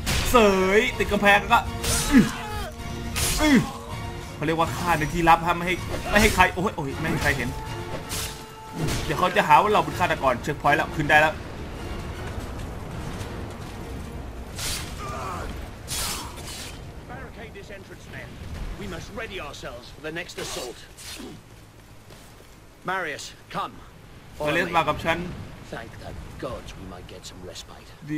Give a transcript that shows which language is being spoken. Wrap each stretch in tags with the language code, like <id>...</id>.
<th>เสยติดกำแพงก็เขาเรียกว่าฆ่าในที่ลับฮะไม่ให้ใครโอ้ยไม่ให้ใครเห็นเดี๋ยวเขาจะหาว่าเราเป็นฆาตกรเช็คพอยต์แล้วขึ้นได้แล้ว</th> <en>Barricade this entrance, men. We must ready ourselves for the next assault. Marius, come. Marius</en> <th>มากับฉัน</th> <en>Thank the gods we might get some respite.</en>